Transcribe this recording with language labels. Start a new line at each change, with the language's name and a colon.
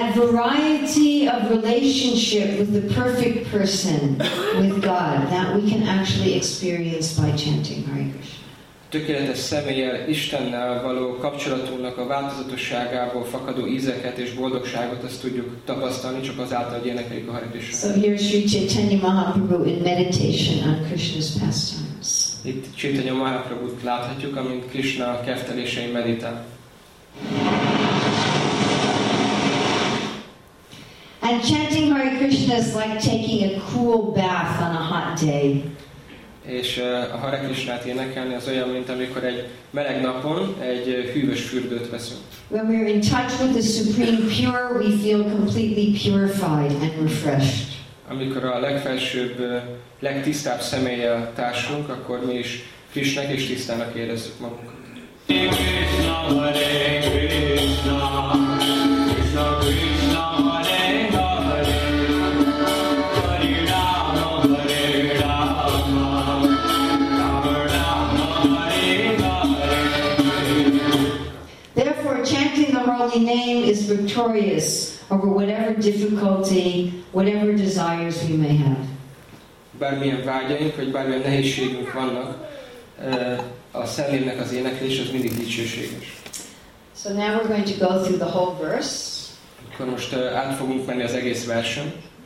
English: Relationship with the perfect person, with God, that we can actually experience by chanting Hare Krishna.
Hungarian: Tökéletes személlyel, Istennel való kapcsolatunknak a változatosságából fakadó ízeket és boldogságot azt tudjuk tapasztalni, csak azáltal, hogy énekeljük a Hare Krishna.
English: So here is Sri Chaitanya Mahaprabhu in meditation on Krishna's pastimes.
Hungarian: Itt Chaitanya Mahaprabhut láthatjuk, amint Krishna keftelésein meditál.
English: And chanting Hare Krishna is like taking a cool bath on a hot day.
Hungarian: És a Hare Krishnát énekelni az olyan, mint amikor egy meleg napon egy hűvös fürdőt veszünk.
English: When we are in touch with the supreme pure, we feel completely purified and refreshed.
Hungarian: Amikor a legfelsőbb, legtisztább személlyel társulunk, akkor mi is frissnek és tisztának érezzük magunkat.
English: Name is victorious over whatever difficulty, whatever desires we may have.
Hungarian: Bármilyen vágyaink, vagy bármilyen nehézségünk vannak, a szellemnek az éneklés az mindig dicsőséges.
English: So now we're going to go through the whole verse.
Hungarian: Akkor most át fogunk menni az egész versen.